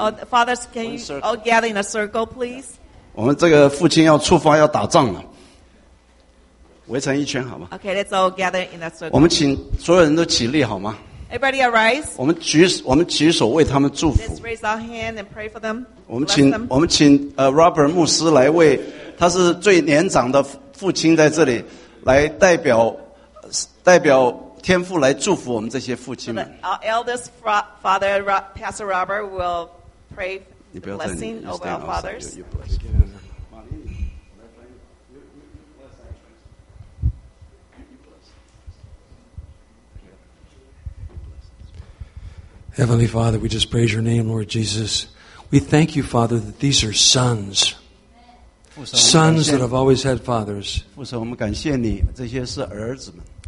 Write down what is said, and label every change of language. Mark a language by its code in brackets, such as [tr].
[en] Fathers, can you all gather in a circle, please? [zh] 我们这个父亲要出发,要打仗了。围成一圈,好吧? [en] Okay, let's all gather in a circle. [zh] 我们请所有人都起立,好吗? [en] Everybody arise. [zh] 我们举手为他们祝福。 [en] Let's raise our hand and pray for them. [zh] 我们请 Robert 牧师来为, 他是最年长的父亲在这里, 来代表, 代表, 天父来祝福我们这些父亲们。 [en] Our eldest father, Pastor Robert, will pray the blessing over our fathers. Heavenly Father, we just praise your name, Lord Jesus. We thank you, Father, that these are sons. Sons that have always had fathers. [zh] 父神，我们感谢你，这些是儿子们。